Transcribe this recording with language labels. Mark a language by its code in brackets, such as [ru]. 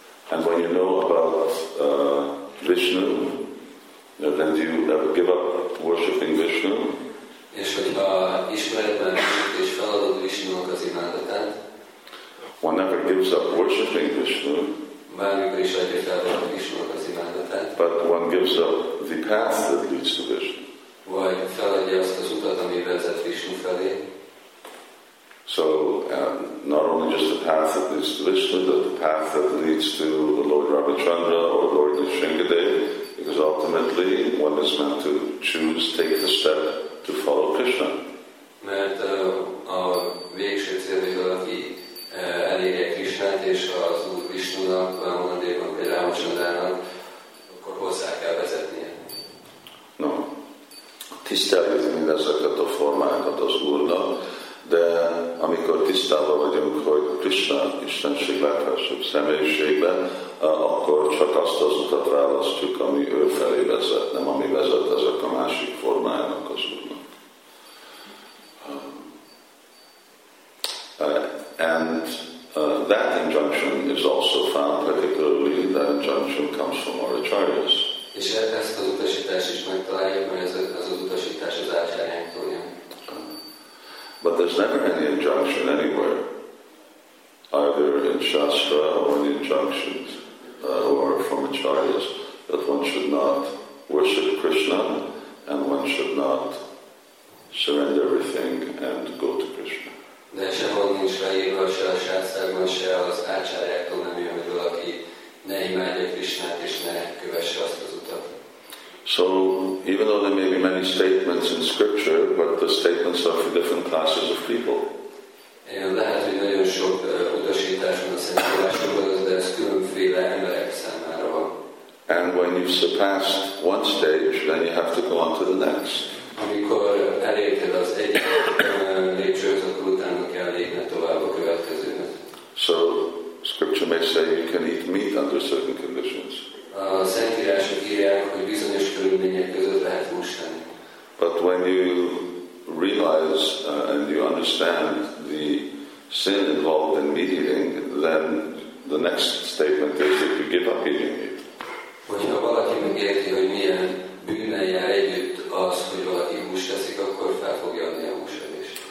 [en] And when you know about Vishnu, then you give up worshipping Vishnu. [hu] És hogyha ismeretben és feladod Vishnunak az imádatát, [en] one never gives up worshipping Vishnu. [hu] Bármikor is adja fel Vishnunak az imádatát. [en] But one gives up the path that leads to Vishnu. [hu] Vagy feladja azt az utat, ami vezet Vishnu felé. [en] So not only just the path that leads to Vishnu, but the path that leads to the Lord Ramachandra or Lord Nrisimhadeva, because ultimately one is meant to choose, take the step to follow Krishna. [hu] Mert a végső cél, hogy valaki elérje Krisnát és az Úr Vishnunak, Ramachandrának, vagy Ramachandrának, akkor hozzá kell vezetnie. [en] No. [hu] Tisztelni mindezeket a formákat az Úrnak, de amikor tisztában vagyunk, hogy Krishna Istenség legfelsőbb személyiségben, akkor csak azt az utat választjuk, ami ő felé vezet, nem ami vezet ezek a másik formájának az Úrnak. [en] And that injunction is also found, particularly that injunction comes from our acharyas. [hu] És ezt az utasítás is megtaláljuk, mert ez az utasítás az acharyáktól jön. [en] But there's never any injunction anywhere, either in Shastra or in injunctions or from acharyas, that one should not worship Krishna and one should not surrender everything and go to Krishna. [hu] De sehol nincs leírva, se a Shastrában, se az ácsárjától nem jön, hogy valaki ne imádja Krishnát és ne kövesse azt az utat. [en] So, even though there may be many statements in scripture, but the statements are for different classes of people. [hu] Lehet, hogy nagyon sok utasítás van a szentírásokban, de ez különféle emberek számára van. [en] And when you've surpassed one stage, then you have to go on to the next. [hu] Amikor elérted az egyik lépcsőt, akkor utána kell lépni tovább a következőnek. [en] So, scripture may say you can eat meat under certain conditions. [hu] A szentírások írják, hogy bizonyos körülmények között lehet húst enni. [en] But when you realize and you understand the sin involved in meat eating, then the next statement is that you give up eating meat. [hu] Hogyha valaki megérti, hogy milyen bűnnel jár együtt az, hogy valaki húst eszik, akkor fel fogja adni a húst is.